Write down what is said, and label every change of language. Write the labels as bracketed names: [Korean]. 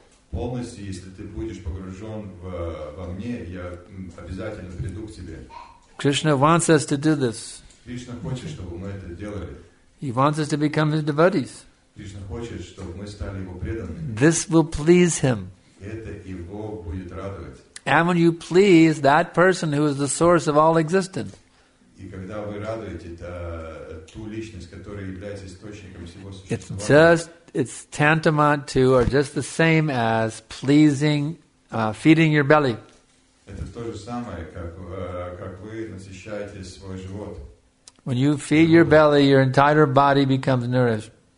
[Russian] Полностью, если ты будешь погружен во мне, я обязательно приду к тебе. [English] Krishna wants us to do this. [Russian] Кришна хочет, чтобы мы это делали. [English] He wants us to become his devotees. [Russian] Кришна хочет, чтобы мы стали его преданными. [English] This will please him. [Russian] Это его будет радовать. [English] And when you please that person who is the source of all existence. [Russian] И когда вы радуете ту личность, которая является источником всего существования. [English] It's tantamount to or just the same as pleasing feeding your belly. [Russian] Это то же самое, как вы насыщаете свой живот. [English] When you feed your belly, your entire body becomes nourished.